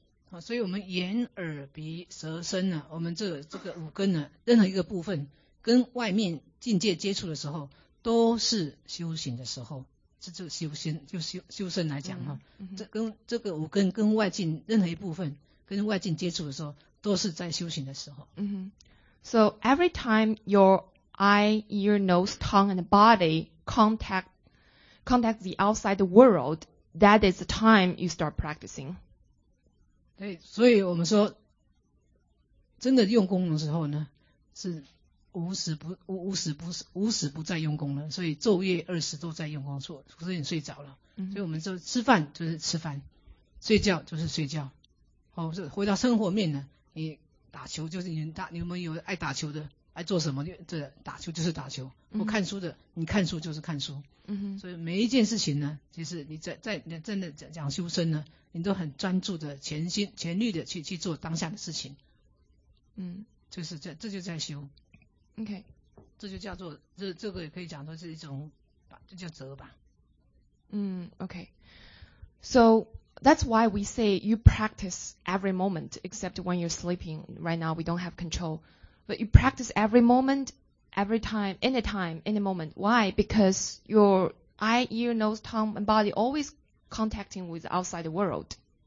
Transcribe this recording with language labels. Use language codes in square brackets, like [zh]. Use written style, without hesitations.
[zh] 好，所以我们眼耳鼻舌身呢，我们这个五根呢，任何一个部分跟外面境界接触的时候，都是修行的时候。这修心就修身来讲哈，这个五根跟外境任何一部分跟外境接触的时候，都是在修行的时候。 [en] So every time your eye, ear, nose, tongue, and body contact the outside world, that is the time you start practicing. [zh] 对，所以我们说，真的用功的时候呢，是无时不在用功了，所以昼夜二时都在用功，所以你睡着了。所以我们说吃饭就是吃饭，睡觉就是睡觉。哦，回到生活面呢，你打球就是你有没有爱打球的，爱做什么就对了，打球就是打球。不看书的，你看书就是看书。所以每一件事情呢，其实你在真的讲修身呢，你都很专注的全心全力的去做当下的事情。就是这就在修。 [en] OK， [zh] 这就叫做这个也可以讲说是一种吧，这叫折吧。 [en] OK， so that's why we say you practice every moment except when you're sleeping. Right now we don't have control, but you practice every moment, every time, any moment. Why? Because your eye, ear, nose, tongue, and body always contacting with outside the world.